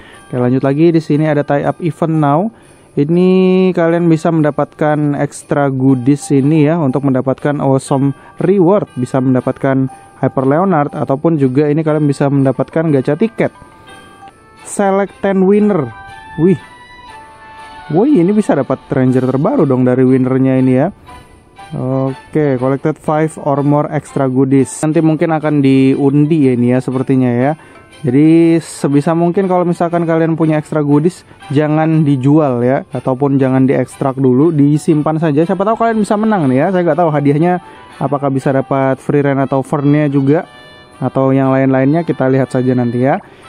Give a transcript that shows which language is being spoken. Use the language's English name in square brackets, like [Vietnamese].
[Indonesian] Oke, lanjut lagi, di sini ada [English] tie up event now. [Indonesian] Ini kalian bisa mendapatkan extra goodies ini ya, untuk mendapatkan [English] awesome reward, [Indonesian] bisa mendapatkan Hyper Leonard, ataupun juga ini kalian bisa mendapatkan gacha tiket [English] select 10 winner. [Indonesian] Wih, woi, ini bisa dapat ranger terbaru dong dari winnernya ini ya. [English] Oke, collected 5 or more extra goodies. [Indonesian] Nanti mungkin akan diundi ya ini ya sepertinya ya. Jadi sebisa mungkin kalau misalkan kalian punya extra goodies, jangan dijual ya, ataupun jangan diekstrak dulu, disimpan saja. Siapa tahu kalian bisa menang nih ya. Saya nggak tahu hadiahnya apakah bisa dapat free rent atau fernya juga atau yang lain-lainnya, kita lihat saja nanti ya.